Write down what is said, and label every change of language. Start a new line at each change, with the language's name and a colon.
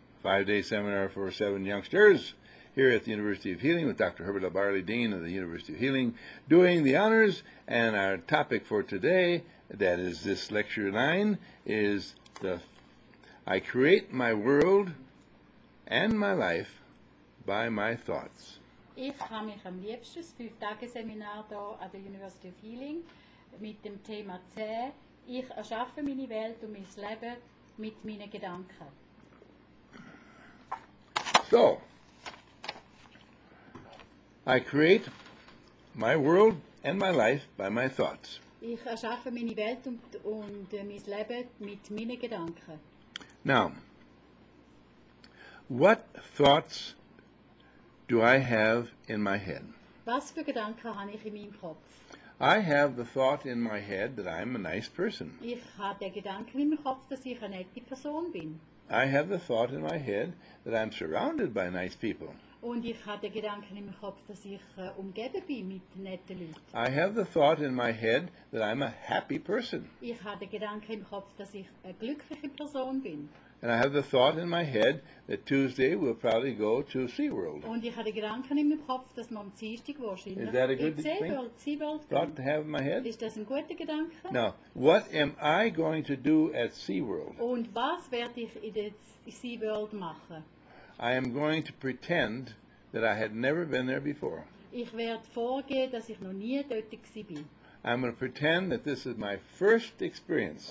English: 5-day seminar for 7 youngsters here at the University of Healing with Dr. Herbert Labarle, Dean of the University of Healing, doing the honors. And our topic for today, that is this lecture 9, is I create my world and my life by my thoughts.
German: Ich habe mich am liebsten das 5-Tage-Seminar hier an der University of Healing mit dem Thema 10. Ich erschaffe meine Welt und mein Leben mit meinen Gedanken.
English: So, I create my world and my life by my thoughts.
German: Ich erschaffe meine Welt und mein Leben mit meinen Gedanken.
English: Now, what thoughts do I have in my head?
German: Was für Gedanken habe ich in meinem Kopf?
English: I have the thought in my head that I'm a nice person.
German: Ich habe den Gedanken in meinem Kopf, dass ich eine nette Person bin.
English: I have the thought in my head that I'm surrounded by nice people.
German: Und ich habe den Gedanken in meinem Kopf, dass ich umgeben bin mit netten Leuten.
English: I have the thought in my head that I'm a happy person.
German: Ich habe den Gedanken im Kopf, dass ich eine glückliche Person bin.
English: And I have the thought in my head that Tuesday we'll probably go to SeaWorld.
German: Und ich habe den Gedanken in meinem Kopf, dass wir am Dienstag wahrscheinlich SeaWorld gehen.
English: Thought to have in my head?
German: Ist das ein guter Gedanke?
English: Now, what am I going to do at SeaWorld?
German: Und was werde ich in SeaWorld machen?
English: I am going to pretend that I had never been there before.
German: Ich werde vorgehen, dass ich noch nie dort gsi bin.
English: I'm going to pretend that this is my first experience.